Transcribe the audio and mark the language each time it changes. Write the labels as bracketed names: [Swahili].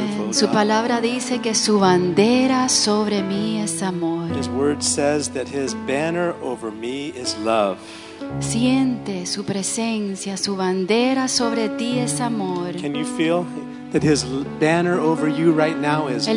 [Spanish] Su palabra dice que su bandera sobre mí es amor. [English] His word says that his banner over me is love. [Spanish] Siente su presencia, su bandera sobre ti es amor. [English] Can you feel that his banner over you right now is love?